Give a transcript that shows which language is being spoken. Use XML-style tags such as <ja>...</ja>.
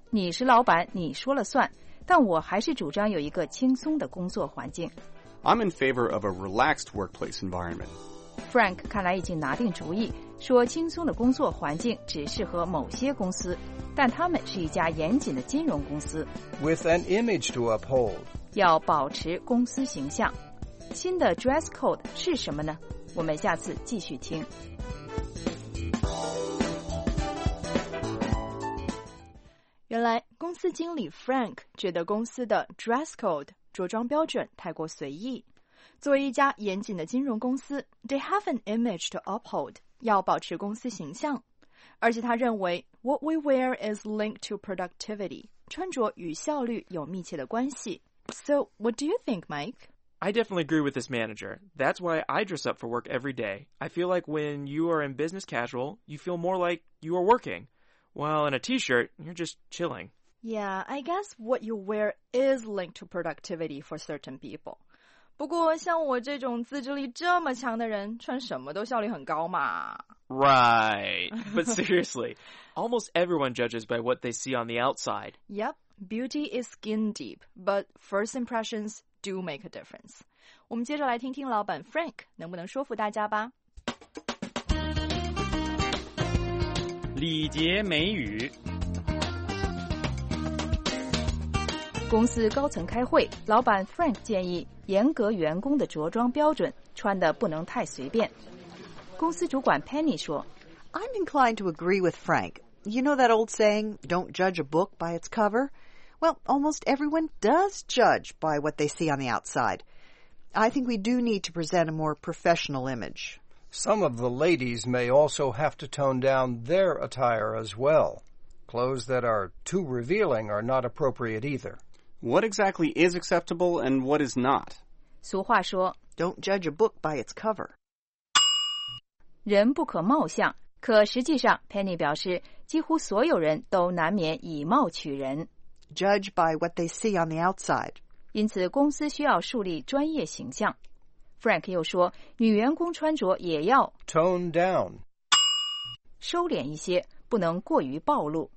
<zh>你是老板,你说了算,但我还是主张有一个轻松的工作环境。</zh> <en>I'm in favor of a relaxed workplace environment.</en> <zh>Frank 看来已经拿定主意,说轻松的工作环境只适合某些公司,但他们是一家严谨的金融公司。</zh> <en>With an image to uphold.</en> <zh>要保持公司形象。新的 dress code 是什么呢? 我们下次继续听。原来公司经理 Frank 觉得公司的 dress code 着装标准太过随意。作为一家严谨的金融公司 ,</zh> <en>they have an image to uphold,</en> <zh>要保持公司形象。而且他认为 ,</zh> <en>what we wear is linked to productivity,</en> <zh>穿着与效率有密切的关系。</zh> <en>So, what do you think, Mike? I definitely agree with this manager. That's why I dress up for work every day. I feel like when you are in business casual, you feel more like you are working. While in a t-shirt, you're just chilling. Yeah, I guess what you wear is linked to productivity for certain people.</en> <zh>不过像我这种自制力这么强的人，穿什么都效率很高嘛。</zh> <en>Right. But seriously, almost everyone judges by what they see on the outside. Yep, beauty is skin deep, but first impressions... do make a difference.</en> <zh>我们接着来听听老板 Frank 能不能说服大家吧。礼节美语。公司高层开会，老板 Frank 建议严格员工的着装标准，穿得不能太随便。公司主管 Penny 说</zh> <en>I'm inclined to agree with Frank. You know that old saying, don't judge a book by its cover? Well, almost everyone does judge by what they see on the outside. I think we do need to present a more professional image. Some of the ladies may also have to tone down their attire as well. Clothes that are too revealing are not appropriate either. What exactly is acceptable and what is not?</en> <zh>俗话说,</zh> <en>don't judge a book by its cover.</en> <zh>人不可貌相,可实际上 Penny 表示几乎所有人都难免以貌取人。</zh> <en>Judge by what they see on the outside.</en> <zh>因此公司需要树立专业形象。 Frank 又说,女员工穿着也要</zh> <en>Tone down.</en> <zh>收敛一些,不能过于暴露。</zh>